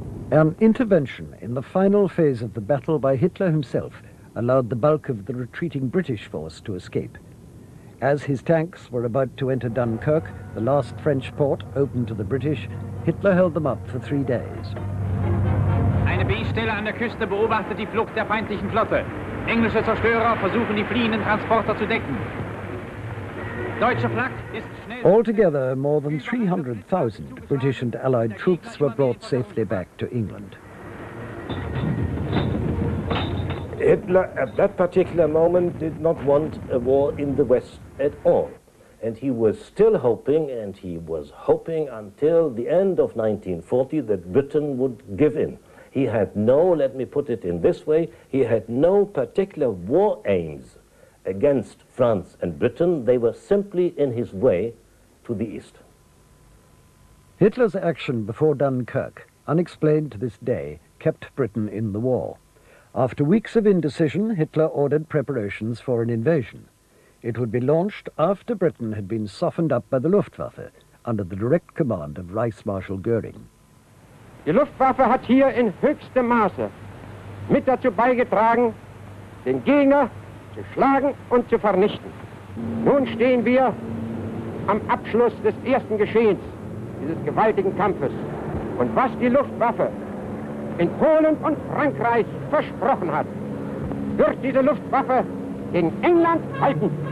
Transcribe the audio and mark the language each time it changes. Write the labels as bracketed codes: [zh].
[en] An intervention in the final phase of the battle by Hitler himself allowed the bulk of the retreating British force to escape. As his tanks were about to enter Dunkirk, the last French port open to the British, Hitler held them up for 3 days. [de] Eine B-Stelle an der Küste beobachtet die Flucht der feindlichen Flotte. Englische Zerstörer versuchen die fliehenden Transporter zu decken. Deutsche Flak ist schnell. [en] Altogether, more than 300,000 British and Allied troops were brought safely back to England. Hitler at that particular moment did not want a war in the West at all. And he was still hoping, and he was hoping until the end of 1940 that Britain would give in. He had no, let me put it in this way, he had no particular war aims against France and Britain. They were simply in his way to the East. Hitler's action before Dunkirk, unexplained to this day, kept Britain in the war. After weeks of indecision, Hitler ordered preparations for an invasion. It would be launched after Britain had been softened up by the Luftwaffe under the direct command of Reichsmarschall Göring. [de] Die Luftwaffe hat hier in höchstem Maße mit dazu beigetragen, den Gegner zu schlagen und zu vernichten. Nun stehen wir am Abschluss des ersten Geschehens dieses gewaltigen Kampfes. Und was die Luftwaffe in Polen und Frankreich versprochen hat, wird diese Luftwaffe in England halten.